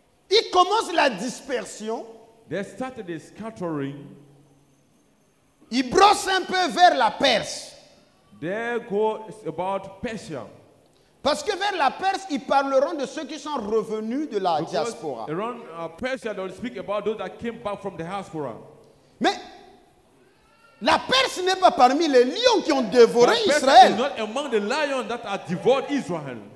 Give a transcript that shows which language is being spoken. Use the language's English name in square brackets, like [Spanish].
[French] Ils commencent la dispersion, [English] they started the scattering. [French] Ils brossent un peu vers la Perse, [English] they go about Persia. [French] Parce que vers la Perse, ils parleront de ceux qui sont revenus de la diaspora. [English] Around, Persia, they'll speak about those that came back from the diaspora. [French] Mais la Perse n'est pas parmi les lions qui ont dévoré Israël. [English] Is not among the lions that have devoured Israel.